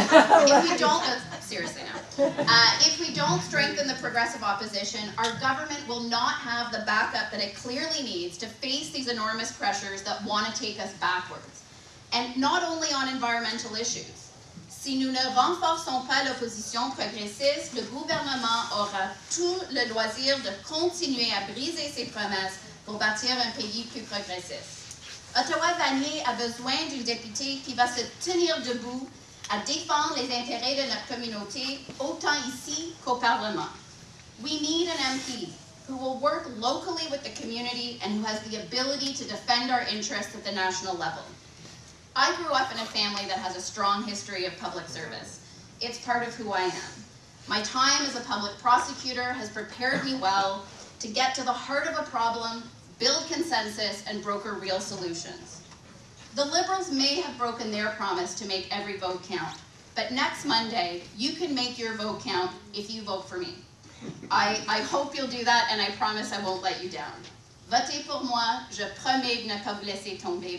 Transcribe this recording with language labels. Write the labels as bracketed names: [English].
[English] If we don't strengthen the progressive opposition, our government will not have the backup that it clearly needs to face these enormous pressures that want to take us backwards. And not only on environmental issues. [French] Si nous ne renforçons pas l'opposition progressiste, le gouvernement aura tout le loisir de continuer à briser ses promesses pour bâtir un pays plus progressiste. Ottawa Vanier a besoin d'une députée qui va se tenir debout à défendre les intérêts de notre communauté, autant ici qu'au Parlement. [English] We need an MP who will work locally with the community and who has the ability to defend our interests at the national level. I grew up in a family that has a strong history of public service. It's part of who I am. My time as a public prosecutor has prepared me well to get to the heart of a problem, build consensus, and broker real solutions. The Liberals may have broken their promise to make every vote count, but next Monday, you can make your vote count if you vote for me. I hope you'll do that, and I promise I won't let you down. [French] Votez pour moi, je promets de ne pas vous laisser tomber.